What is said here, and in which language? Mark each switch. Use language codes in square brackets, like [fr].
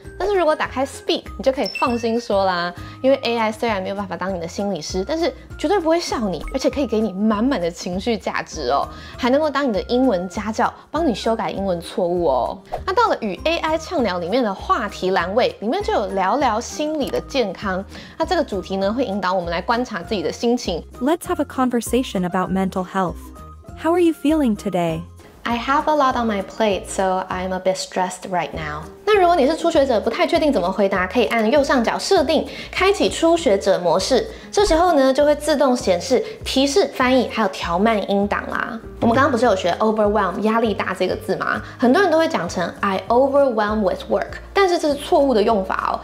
[zh] 但是如果打开 Speak， 你就可以放心说啦，因为 AI 虽然没有办法当你的心理师，但是绝对不会笑你，而且可以给你满满的情绪价值哦，还能够当你的英文家教，帮你修改英文错误哦。那到了与 AI 呛聊里面的话题栏位，里面就有聊聊心理的健康。那这个主题呢，会引导我们来观察自己的心情。 [en] Let's have a conversation about mental health. How are you feeling today? I have a lot on my plate, so I'm a bit stressed right now. [zh] 那如果你是初学者，不太确定怎么回答，可以按右上角设定，开启初学者模式。这时候呢，就会自动显示提示、翻译，还有调慢音档啦。我们刚刚不是有学 overwhelm 压力大这个字吗？很多人都会讲成 [en] I overwhelm with work， [zh] 但是这是错误的用法哦。